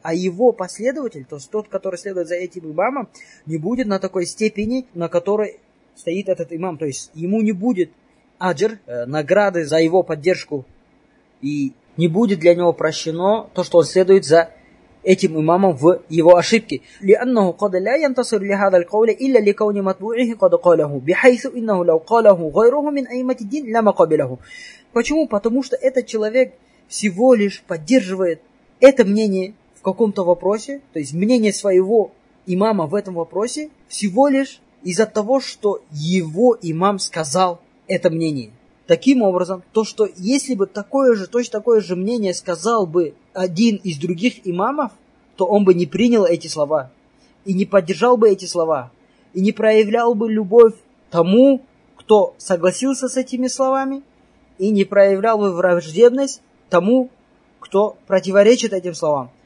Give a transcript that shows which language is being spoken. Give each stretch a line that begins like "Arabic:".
Russian: А его последователь, то есть тот, который следует за этим имамом, не будет на такой степени, на которой стоит этот имам. То есть ему не будет аджр, награды за его поддержку, и не будет для него прощено то, что он следует за этим имамом в его ошибке.
Arabic: لأنه قد لا ينتصر لهذا القول إلا لكون متبوعه قد قاله بحيث إنه لو قاله غيره من أئمة الدين لما قبله.
Russian: Почему? Потому что этот человек всего лишь поддерживает это мнение в каком-то вопросе, то есть мнение своего имама в этом вопросе, всего лишь из-за того, что его имам сказал это мнение. Таким образом, то, что если бы такое же, точно такое же мнение сказал бы один из других имамов, то он бы не принял эти слова, и не поддержал бы эти слова, и не проявлял бы любовь тому, кто согласился с этими словами, и не проявлял бы враждебность тому, кто противоречит этим словам.